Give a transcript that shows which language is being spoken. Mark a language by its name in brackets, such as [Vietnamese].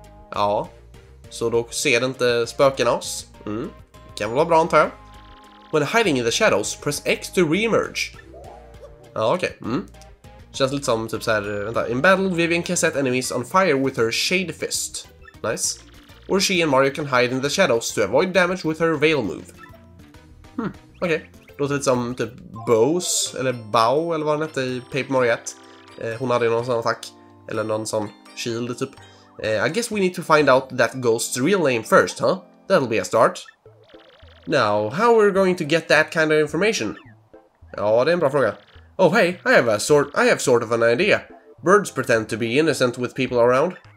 [Swedish] Ja, så då ser det inte spöken oss. Kan väl vara bra, antar jag. [English] When hiding in the shadows, press X to re-emerge. [Swedish] Känns lite som typ så här, vänta. [English] In battle, Vivian can set enemies on fire with her shade fist. Nice. Or she and Mario can hide in the shadows to avoid damage with her veil move. [Swedish] Låter lite som typ Bow, eller vad den heter i Paper Mario 1. Hon hade någon sån attack. Eller någon sån shield typ. [English] I guess we need to find out that ghost's real name first, huh? That'll be a start. Now, how are we going to get that kind of information? [Swedish] Ja, det är en bra fråga. [English] Oh hey, I have sort of an idea. Birds pretend to be innocent with people around.